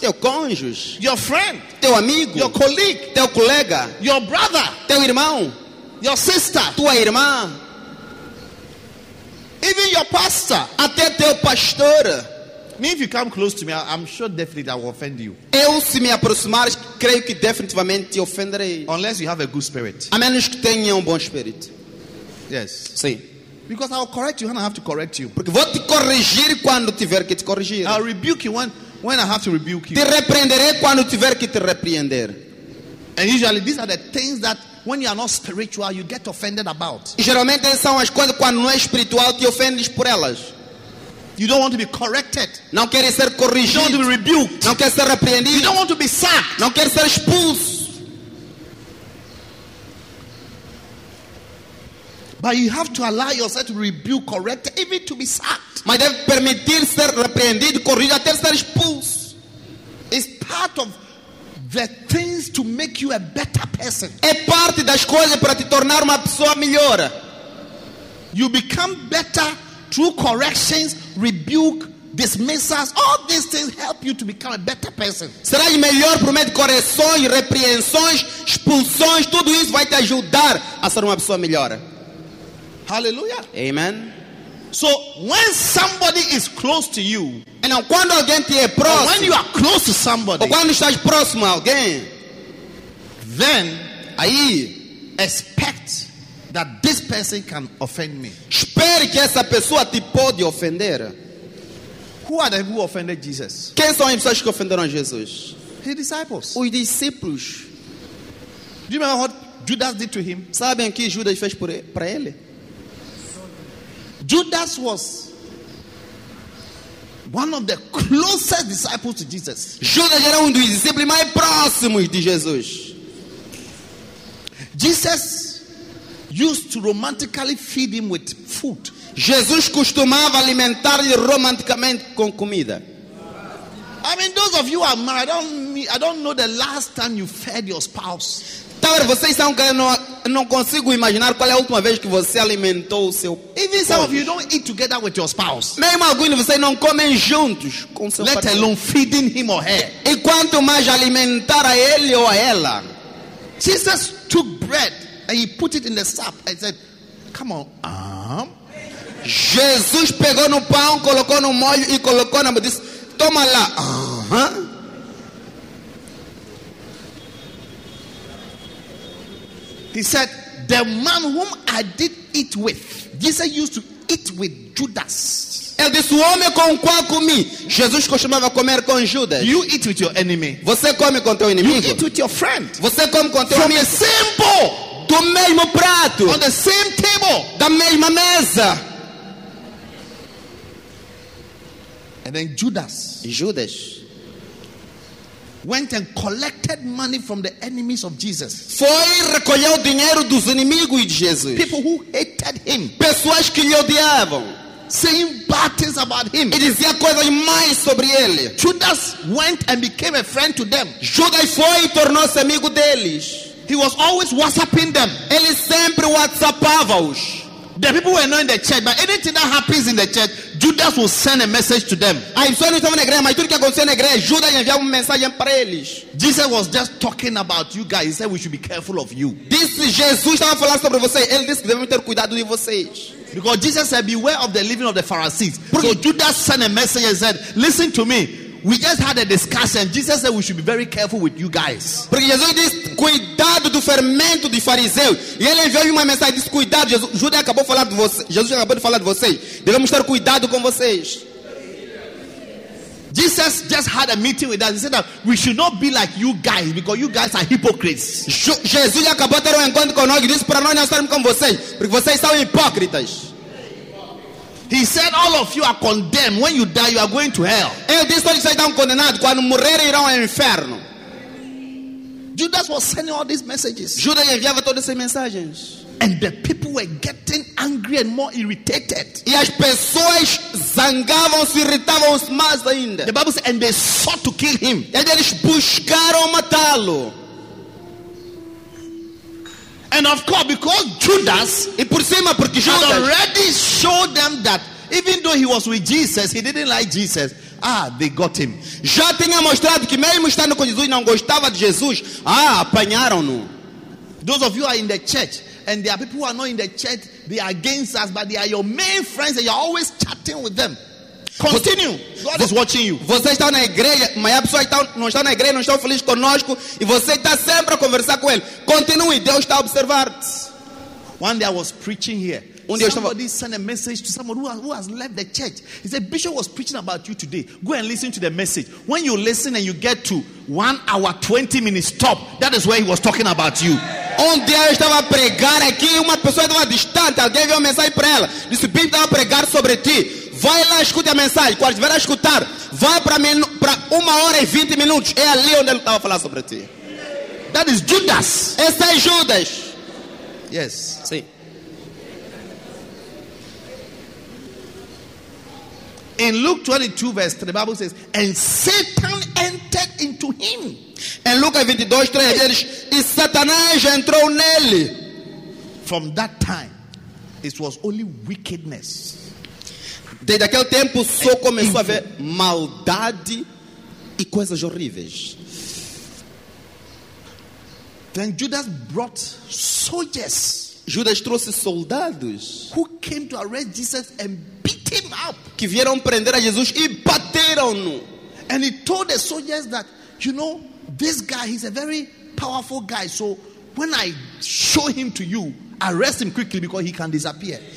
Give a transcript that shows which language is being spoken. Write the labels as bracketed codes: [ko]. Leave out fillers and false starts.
[pt] teu cônjuge, [en] your friend, [pt] teu amigo, [en] your colleague, [pt] teu colega, [en] your brother, [pt] teu irmão, [en] your sister, [pt] tua irmã, [en] even your pastor, [pt] até teu pastor. [en] Me, if you come close to me, I'm sure definitely I will offend you. [pt] Eu se me aproximar, creio que definitivamente te ofenderei. [en] Unless you have a good spirit. [pt] A menos que tenha bom espírito. [en] Yes. [pt] Sim. [en] Because I will correct you when I have to correct you. [pt] Porque vou te corrigir quando tiver que te corrigir. [en] I'll rebuke you when I have to rebuke you. [pt] Te repreenderei quando tiver que te repreender. [en] And usually these are the things that when you are not spiritual you get offended about. [pt] E geralmente essas são as coisas quando não é espiritual te ofendes por elas. [en] You don't want to be corrected. [pt] Não queres ser corrigido. [en] You don't want to be rebuked. [pt] Não queres ser repreendido. [en] You don't want to be sacked. [pt] Não queres ser expulso. [en] But you have to allow yourself to rebuke, correct, even to be sacked. [pt] Mas deve permitir ser repreendido, corrigido, até ser expulso. [en] It's part of the things to make you a better person. [pt] É parte das coisas para te tornar uma pessoa melhor. [en] You become better through corrections, rebuke, dismissals. All these things help you to become a better person. [pt] Será melhor por meio de correções, repreensões, expulsões. Tudo isso vai te ajudar a ser uma pessoa melhor. Hallelujah. Amen. [en] So when somebody is close to you, and now [pt] quando alguém te é próximo, [en] when you are close to somebody, [pt] ou quando estás próximo a alguém, [en] then [pt] aí [en] expect that this person can offend me. [pt] Espere que essa pessoa te pode ofender. [en] Who are they who offended Jesus? [pt] Quem são as pessoas que ofenderam Jesus? [en] His disciples. [pt] Os discípulos. [en] Do you remember what Judas did to him? [pt] Sabem que Judas fez para ele? [en] Judas was one of the closest disciples to Jesus. [pt] Judas era dos discípulos mais próximos de Jesus. [en] Jesus used to romantically feed him with food. [pt] Jesus costumava alimentar-lhe romanticamente com comida. [en] I mean, those of you who are married, I don't know the last time you fed your spouse. [pt] Talvez vocês estão querendo, não consigo imaginar qual é a última vez que você alimentou o seu. [en] Even some of you don't eat together with your spouse. [pt] Mesmo alguns de vocês não comem juntos com seu. [en] Let alone feeding him or her. [pt] E quanto mais alimentar a ele ou a ela. [en] Jesus took bread and he put it in the sap and said, "Come on." [pt] Jesus pegou no pão, colocou no molho e colocou na boca e disse, "Toma lá." [en] He said, the man whom I did eat with, Jesus used to eat with Judas. [pt] Ele disse, o homem com o qual comi, Jesus costumava comer com Judas. [en] You eat with your enemy. [pt] Você come com teu inimigo. [en] You eat with your friend. [pt] Você come com teu [en] From [pt] amigo. [en] From a simple. [pt] Do mesmo prato. [en] On the same table. [pt] Da mesma mesa. [en] And then Judas. [pt] Judas. [en] Went and collected money from the enemies of Jesus. [pt] Foi recolher o dinheiro dos inimigos de Jesus. [en] People who hated him. [pt] Pessoas que lhe odiavam. [en] Saying bad things about him. [pt] E dizia coisas mais sobre ele. [en] Judas went and became a friend to them. [pt] Judas foi e tornou-se amigo deles. [en] He was always WhatsApping them. [pt] Ele sempre WhatsAppava-os. [en] The people were not in the church, but anything that happens in the church, Judas will send a message to them. [pt] Aí só não estava na igreja, mas tudo que aconteceu na igreja, Judas enviava uma mensagem para eles. [en] Jesus was just talking about you guys. He said we should be careful of you. [pt] Disse Jesus estava falando sobre vocês. Ele disse que devemos ter cuidado de vocês. [en] Because Jesus said, beware of the living of the Pharisees. So Judas sent a message and said, listen to me. We just had a discussion. Jesus said we should be very careful with you guys. [pt] Porque Jesus disse, cuidado do fermento de fariseus. E ele enviou uma mensagem e disse, cuidado, Jesus. Judas acabou de falar de vocês. Jesus acabou de falar de vocês. Devemos ter cuidado com vocês. [en] Jesus just had a meeting with us. He said that we should not be like you guys because you guys are hypocrites. [pt] Jesus acabou de ter encontro conosco e disse para nós não estarmos com vocês, porque vocês são hipócritas. [en] He said all of you are condemned. When you die, you are going to hell. [pt] Ele disse todos vocês estão condenados. Quando morrer, irão ao inferno. [en] Judas was sending all these messages. [pt] Judas enviava todas essas mensagens. [en] And the people were getting angry and more irritated. [pt] E as pessoas zangavam-se, irritavam-se mais ainda. [en] The Bible says, and they sought to kill him. [pt] E eles buscaram matá-lo. [en] And of course, because Judas, [pt] e por cima, porque Judas [en] had already showed them that even though he was with Jesus, he didn't like Jesus. Ah, they got him. [pt] Já tinha mostrado que mesmo estando com Jesus, não gostava de Jesus. Ah, apanharam-no. [en] Those of you who are in the church, and there are people who are not in the church, they are against us, but they are your main friends, and you are always chatting with them. Continue. God is watching you. [pt] Você está na igreja, mas a pessoa está, não está na igreja, não está feliz conosco, e você está sempre a conversar com ele. Continue, Deus está a observar. [en] One day I was preaching here. Somebody sent a message to someone who has left the church. He said, Bishop was preaching about you today. Go and listen to the message. When you listen and you get to 1 hour, 20 minutes, stop. That is where he was talking about you. [pt] Um dia eu estava a pregar aqui, uma pessoa estava distante, alguém deu uma mensagem para ela. Disse, Bishop estava a pregar sobre ti. Vai lá, escute a mensagem. Quando estiver a escutar, vai para 1 hora e 20 minutos. É ali onde ele estava a falar sobre ti. [en] That is Judas. [pt] Esse é Judas. [en] Yes. [pt] Sim. [en] In Luke 22, verse 3, the Bible says, and Satan entered into him. [pt] Em Lucas 22, 3, ele diz, e Satanás entrou nele. [en] From that time, it was only wickedness. [pt] Desde aquele tempo, só começou a haver maldade e coisas horríveis. [en] Then Judas brought soldiers. [pt] Judas trouxe soldados. [en] Who came to arrest Jesus and beat him up. [pt] Que vieram prender a Jesus e bateram-no. [en] And he told the soldiers that, you know, this guy, he's a very powerful guy. So when I show him to you, arrest him quickly because he can disappear.